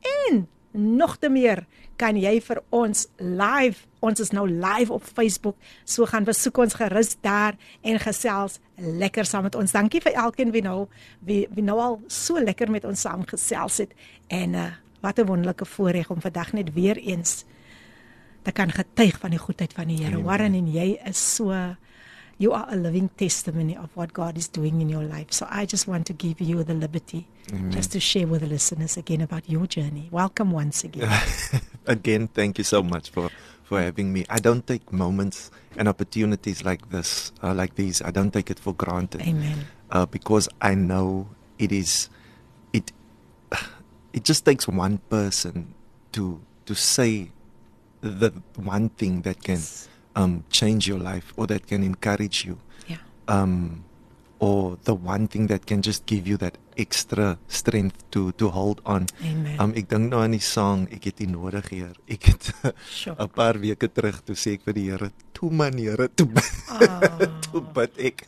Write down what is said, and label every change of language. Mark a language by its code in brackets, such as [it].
[af] en nog te meer kan jy vir ons live, ons is nou live op Facebook, so gaan besoek ons gerus daar en gesels lekker saam met ons. Dankie vir elkeen wie nou al so lekker met ons saam gesels het, en wat 'n wonderlike voorreg om vandag net weer eens te kan getuig van die goedheid van die Here. [en] Warren, [af] en jy is so, [en] you are a living testimony of what God is doing in your life. So I just want to give you the liberty just to share with the listeners again about your journey. Welcome once again. Again, thank you so much for having me. I don't take moments and opportunities like this, like these, I don't take it for granted. Amen. Because I know it just takes one person to say the one thing that can change your life, or that can encourage you, or the one thing that can just give you that extra strength to hold on. Amen. [af] Ek dink nou aan die song, ek het die nodig hier. Ek het a paar weke terug, toe sê ek vir die Here, toe man Here, toe bid ek.